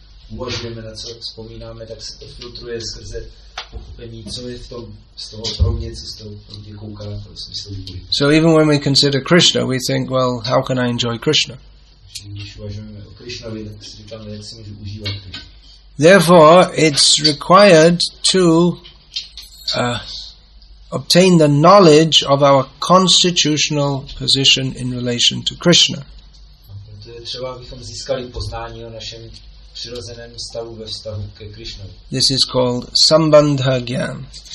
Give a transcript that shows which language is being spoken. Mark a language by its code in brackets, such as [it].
[cs] Uvažujeme, na co vzpomínáme, tak se to filtruje skrze pochopení, co je to z toho pro mě, co z toho pro mě kouká, to je smysl. [en] So even when we consider Krishna, we think, well, how can I enjoy Krishna? [cs] Když uvažujeme o Krishnovi, tak si říkáme, jak si můžu užívat Krishna. [en] Therefore, it's required to obtain the knowledge of our constitutional position in relation to Krishna. [cs] To je třeba, abychom získali poznání o našem přirozeném stavu ve vztahu ke Krishnovi. [en] This is called sambandha gyan.